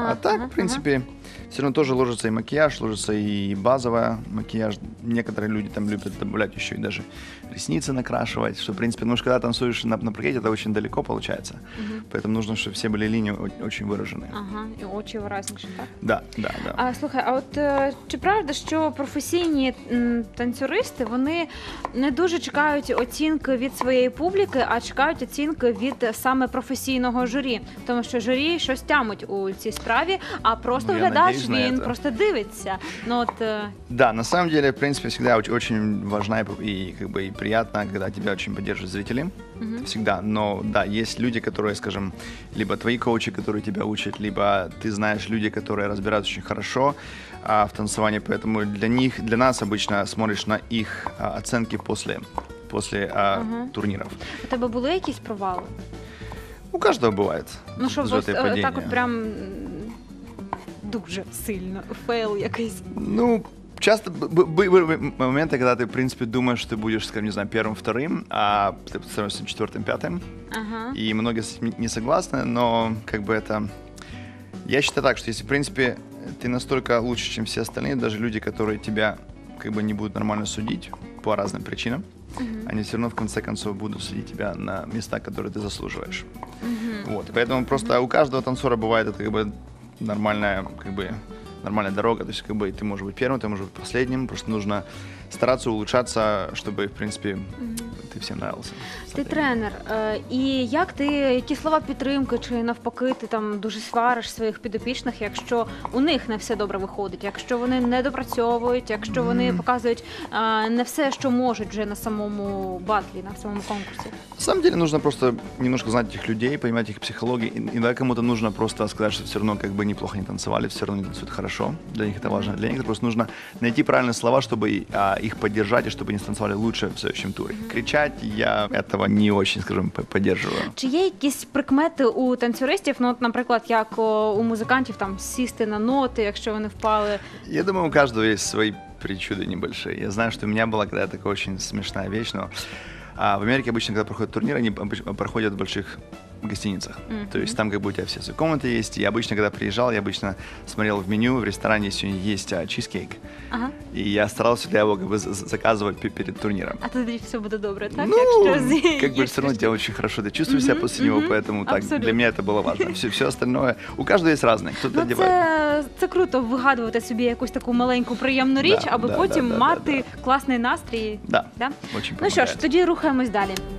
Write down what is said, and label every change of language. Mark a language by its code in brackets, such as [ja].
[ru] В принципе, все равно тоже ложится и макияж, ложится и базовая макияж. Некоторые люди там любят добавлять еще и даже ресницы накрашивать, что, в принципе, ну, когда танцуешь на паркете, это очень далеко получается. Угу. Поэтому нужно, чтобы все были линии очень выражены. Ага, и очень выразнейшие, так? Да. [uk] Слухай, а вот чи правда, что профессийные танцюристы, они не дуже чекают оцінки від своєї публіки, а чекают оцінки від саме професійного журі, тому що журі щось тямуть у цій справі, а просто глядач, він просто дивиться. Ну от [ru] да, на самом деле, в принципе, всегда очень важна и как бы и приятно, когда тебя очень поддерживают зрители. Mm-hmm. Всегда. Но да, есть люди, которые, скажем, либо твои коучи, которые тебя учат, либо ты знаешь люди, которые разбираются очень хорошо в танцевании, поэтому для нас обычно смотришь на их оценки после uh-huh. турниров. [uk] У тебе були якісь провали? У кожного буває. Ну що, вас так от прям дуже сильно фейл якийсь? Ну, [ru] часто были моменты, когда ты, в принципе, думаешь, что ты будешь, скажем, не знаю, первым, вторым, а ты становишься четвертым, пятым. И многие с этим не согласны, но как бы это... Я считаю так, что если, в принципе, ты настолько лучше, чем все остальные, даже люди, которые тебя как бы не будут нормально судить по разным причинам, они все равно в конце концов будут судить тебя на места, которые ты заслуживаешь. Вот. Поэтому просто у каждого танцора бывает это как бы нормальная, как бы, нормальная дорога. То есть, как бы ты можешь быть первым, ты можешь быть последним. Просто нужно стараться улучшаться, чтобы, в принципе, [uk] ти всім нравився. Ти тренер. І як ти, які слова підтримки, чи навпаки, ти там дуже свариш своїх підопічних, якщо у них не все добре виходить, якщо вони не допрацьовують, якщо вони показують не все, що можуть вже на самому батлі, на самому конкурсі? [ru] На самом деле, нужно просто немножко [uk] знати тих людей, понимати їх психологію. Іноді кому-то нужно просто сказати, що все одно как бы неплохо не танцювали, все одно не танцюють хорошо. Для них це важливо. Для них просто нужно найти правильні слова, щоб їх підтримати, щоб вони танцювали краще в наступному турі. [ru] Кричать, я этого не очень, скажем, поддерживаю. [uk] Чи є якісь прикмети у танцюристів, ну, от, наприклад, як у музикантів там сісти на ноти, якщо вони впали? Я думаю, у кожного є свої причуди небольшие. Я знаю, що у мене була коли така дуже смішна річ, но в Америці обычно, коли проходять турніри, вони проходять [ru] в больших гостиницах. То есть там как бы у тебя все свои комнаты есть. Я обычно, когда приезжал, я обычно смотрел в меню, в ресторане сегодня есть чизкейк. И я старался для его как бы заказывать перед турниром. А тогда все будет добро, так? Ну, как бы все равно тебя очень хорошо, ты чувствуешь себя после него, поэтому так, для меня это было важно. Все остальное, у каждого есть разное, кто-то одевает. [uk] Це круто вигадувати собі якусь таку маленьку приємну річ, аби потім мати класний настрій. [ru] Да, очень помогает. [uk] Ну що ж, тоді рухаємось далі.